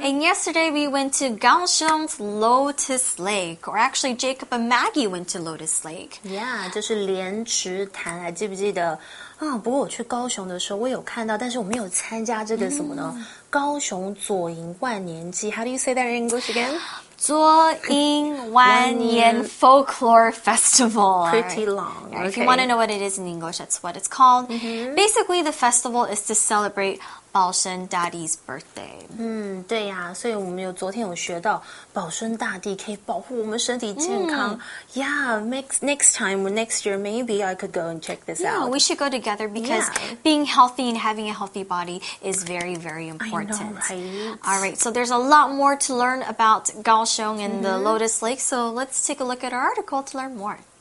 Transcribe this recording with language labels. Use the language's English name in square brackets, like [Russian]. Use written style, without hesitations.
[English] And yesterday we went to Kaohsiung's Lotus Lake, or actually Jacob and Maggie went to Lotus Lake. [Chinese] Yeah, 就是莲池潭，还记不记得？不过我去高雄的时候，我有看到，但是我没有参加这个什么呢？高雄左营万年祭. [English] How do you say that in English again? [Chinese] 左营万年 Folklore Festival. [English] Pretty long. Yeah, if you want to know what it is in English, that's what it's called. Basically, the festival is to celebrate Baoshen Daddy's birthday. [Chinese] 对呀，所以我们有昨天有学到保生大帝可以保护我们身体健康. [English] Next time, or next year, maybe I could go and check this out. Yeah, we should go together because being healthy and having a healthy body is very, very important. I know, right? All right, so there's a lot more to learn about Kaohsiung and the Lotus Lake, so let's take a look at our article to learn more.